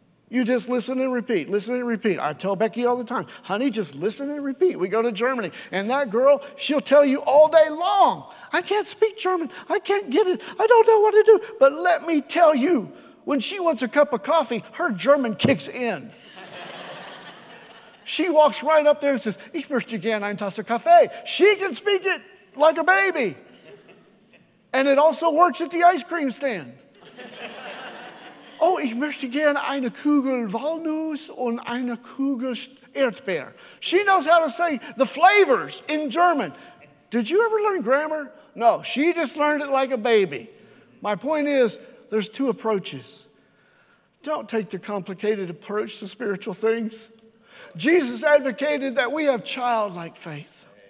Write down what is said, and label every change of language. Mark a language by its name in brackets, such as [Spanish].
[English] You just listen and repeat, listen and repeat. I tell Becky all the time, honey, just listen and repeat. We go to Germany, and that girl, she'll tell you all day long, I can't speak German. I can't get it. I don't know what to do. But let me tell you, when she wants a cup of coffee, her German kicks in. She walks right up there and says, [German] Ich möchte gerne eine Tasse Kaffee. [English] She can speak it like a baby. And it also works at the ice cream stand. [German] Oh, ich möchte gerne eine Kugel Walnuss und eine Kugel Erdbeer. [English] She knows how to say the flavors in German. Did you ever learn grammar? No, she just learned it like a baby. My point is, there's 2 approaches. Don't take the complicated approach to spiritual things. Jesus advocated that we have childlike faith.